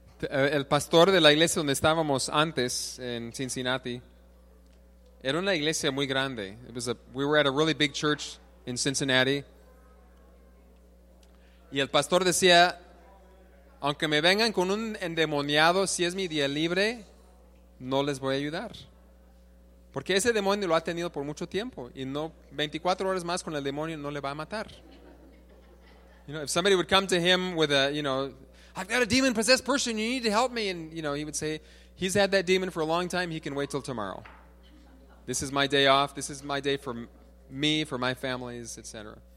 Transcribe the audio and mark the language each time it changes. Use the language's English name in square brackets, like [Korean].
[Spanish] El pastor de la iglesia donde estábamos antes en Cincinnati era una iglesia muy grande. [English] We were at a really big church in Cincinnati. [Spanish] Y el pastor decía, aunque me vengan con un endemoniado, si es mi día libre, no les voy a ayudar. Porque ese demonio lo ha tenido por mucho tiempo. Y no, 24 horas más con el demonio no le va a matar. [English] You know, if somebody would come to him with a, you know, I've got a demon-possessed person, you need to help me. And, you know, he would say, he's had that demon for a long time, he can wait till tomorrow. This is my day off, this is my day for me, for my families, etc.